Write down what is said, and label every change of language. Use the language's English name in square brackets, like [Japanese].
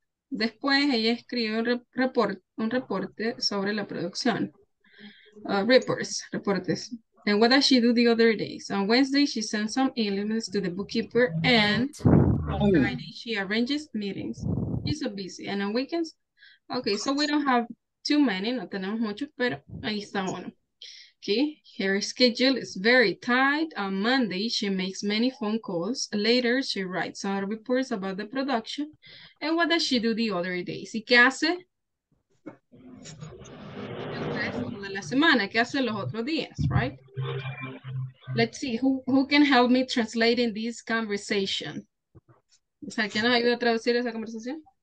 [Spanish] Después ella escribe un reporte sobre la producción. Reportes. [English] And what does she do the other days? On Wednesday, she sends some emails to the bookkeeper and on Friday, she arranges meetings. She's so busy. And on weekends, okay, so we don't have too many, [Spanish] no tenemos muchos, pero ahí está uno. [English] Okay, her schedule is very tight. On Monday, she makes many phone calls. Later, she writes our reports about the production. And what does she do the other days? [Spanish] ¿Y qué hace? La semana, ¿qué hace los otros días, right? [English] Let's see, who can help me translate in this conversation? [Spanish] O sea, ¿quién nos ayuda a traducir esa conversación?